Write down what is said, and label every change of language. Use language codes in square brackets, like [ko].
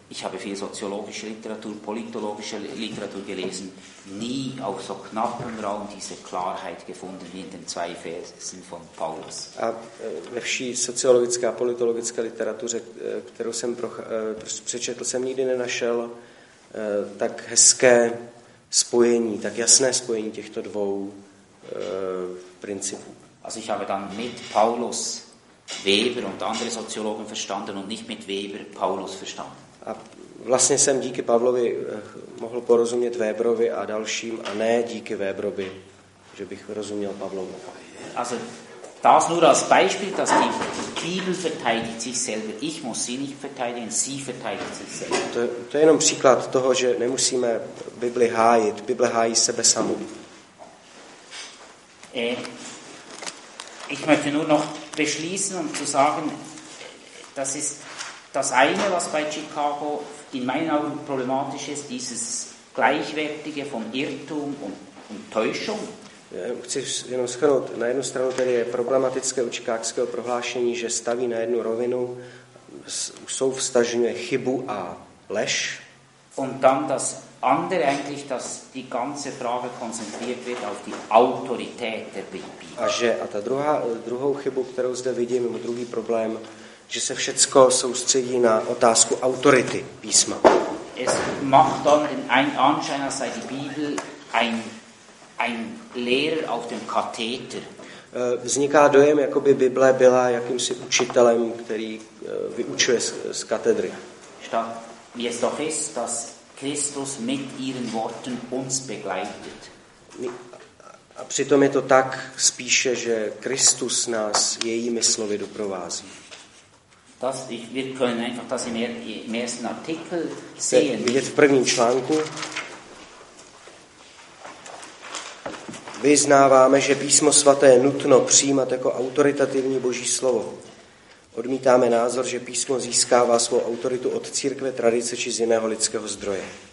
[de] Ich habe viel soziologische Literatur, politologische Literatur gelesen, nie auf so knappem Raum diese Klarheit gefunden wie in den zwei Versen von Paulus. [cs] A ve vší sociologické a politologické literatuře, kterou jsem přečetl, jsem nikdy nenašel tak hezké spojení, tak jasné spojení těchto dvou principů. [de] Also ich habe dann mit Paulus Weber und andere Soziologen verstanden und nicht mit Weber Paulus verstanden. [cs] A vlastně jsem díky Pavlovi mohl porozumět Weberovi a dalším, a ne díky Weberovi, že bych rozuměl Pavlovi. [de] Also das nur als Beispiel, dass die Bibel verteidigt sich selber. Ich muss sie nicht verteidigen, sie verteidigt sich selber. [cs] To je jenom příklad toho, že nemusíme Bibli hájit. Bible hájí sebe samu. [de] Ich möchte nur noch beschließen, um zu sagen, das ist das eine, was bei Chicago in meinen Augen problematisch ist, dieses Gleichwertige von Irrtum und Täuschung. [cs] Já chci jenom shrnout, na jednu stranu tady je problematické u chicagského prohlášení, že staví na jednu rovinu, souvstažňuje chybu a lež. [de] Und dann das andere eigentlich, dass die ganze Frage konzentriert wird auf die Autorität der Bibel. [cs] A ta druhou chybu, kterou zde vidím, nebo druhý problém, že se všecko soustředí na otázku autority písma. [de] Es macht dann den Anschein, als sei die Bibel ein Lehrer auf dem Katheter. [cs] Vzniká dojem, jako by Bible byla jakýmsi učitelem, který vyučuje z katedry. [de] Wie es doch ist, dass Christus mit ihren Worten uns begleitet. [cs] A přitom je to tak spíše, že Kristus nás jejími slovy doprovází. [de] Wir können einfach das im ersten Artikel sehen. [cs] Vidět v prvním článku. Vyznáváme, že písmo svaté je nutno přijímat jako autoritativní boží slovo. Odmítáme názor, že písmo získává svou autoritu od církve, tradice či z jiného lidského zdroje.